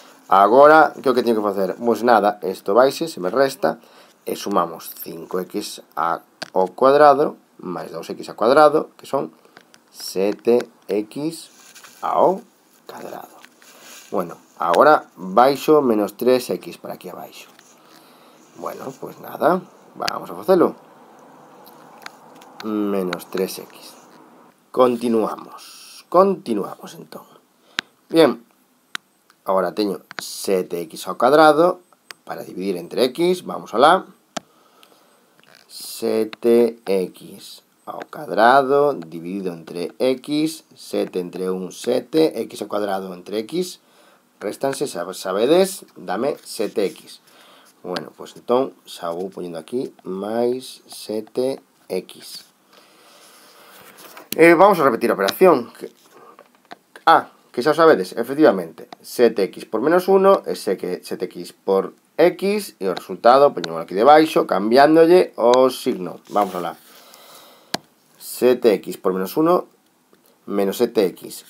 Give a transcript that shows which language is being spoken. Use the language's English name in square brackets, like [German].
[Galician] Agora, que é o que teño que facer? Pois nada, isto baixe, se me resta, e sumamos 5x ao cuadrado, máis 2x ao cuadrado, que son 7x ao cuadrado. Bueno, agora baixo menos 3x para aquí abaixo. Bueno, pues nada, vamos a facelo. Menos 3x. Continuamos entón. Bien, agora teño 7x ao cuadrado para dividir entre x, vamos alá. 7x ao cuadrado dividido entre x, 7 entre 1, 7, x ao cuadrado entre x, réstanse, sabedes, dame 7x. Bueno, pues entón, xa vou poñendo aquí, máis 7x. [Spanish] Vamos a repetir operación. Ah, que ya sabéis, efectivamente, 7x por menos 1 es 7x por x, y el resultado, ponemos aquí debajo, cambiándole o signo. Vamos a hablar. 7x por menos 1 menos 7x.